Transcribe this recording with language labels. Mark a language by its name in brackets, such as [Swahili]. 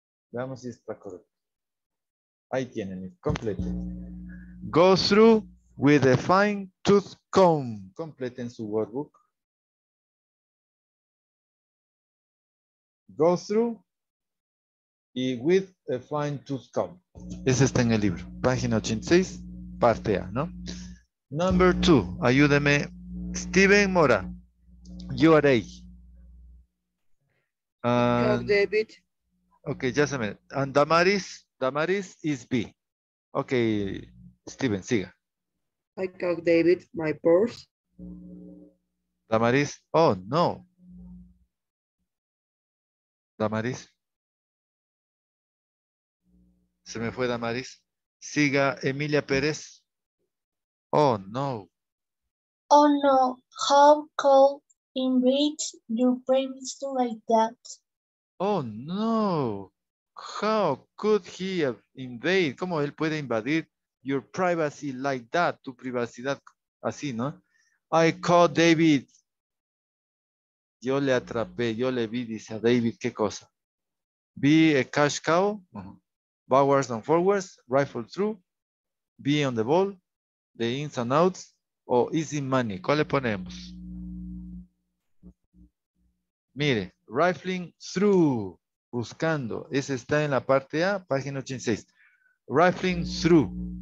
[Spanish] Veamos si está correcto. Ahí tiene, complete. [English] Go through with a fine tooth comb. [Spanish] Complete en su workbook. [English] Go through [Spanish] y [English] with a fine tooth comb. [Spanish] Ese está en el libro, página 86, parte A, ¿no? [English] Number two, [Spanish] ayúdeme, [English] Steven Mora, you are A. David. Okay, just a minute. And Damaris is B. [Spanish] Okay, Steven, siga. [English] I called David, my boss. Damaris, oh no. Damaris. [Spanish] Se me fue Damaris. Siga Emilia Pérez. [English] Oh no. Oh no. How could you reach your premise like that? Oh no. How could he invade? [Spanish] ¿Cómo él puede invadir [English] your privacy like that? [Spanish] Tu privacidad así, ¿no? [English] I called David. [Spanish] Yo le atrapé, yo le vi, dice a David, ¿qué cosa? [English] Be a cash cow. Backwards and forwards, rifle through, be on the ball, the ins and outs, [Spanish] o [English] easy money. [Spanish] ¿Cuál le ponemos? Mire, [English] rifling through, [Spanish] buscando. Ese está en la parte A, página 86. [English] Rifling through.